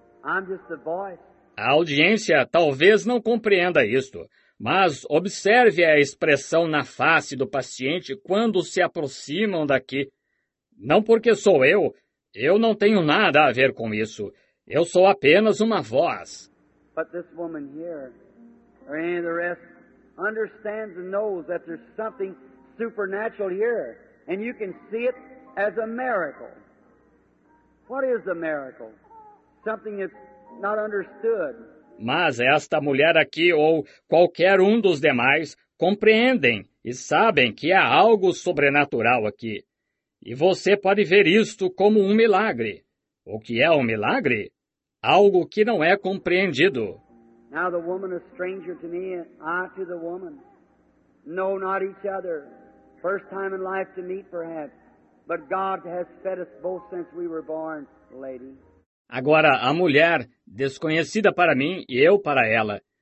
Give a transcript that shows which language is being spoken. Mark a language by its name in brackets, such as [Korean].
[English] I'm just the voice. [Portuguese] A audiência talvez não compreenda isto, mas observe a expressão na face do paciente quando se aproximam daqui. Não porque sou eu não tenho nada a ver com isso. Eu sou apenas uma voz. [English] But this woman here, or any of the rest, understands and knows that there's something supernatural here, and you can see it as a miracle. What is a miracle? Something that's not understood. [Portuguese] Mas esta mulher aqui, ou qualquer um dos demais, compreendem e sabem que há algo sobrenatural aqui. E você pode ver isto como um milagre. O que é um milagre? Algo que não é compreendido. [English] Now the woman is stranger to me, I to the woman. Know not each other. First time in life to meet, perhaps. But God has fed us both since we were born, lady. [Portuguese] Agora, a mulher, desconhecida para mim e eu para ela.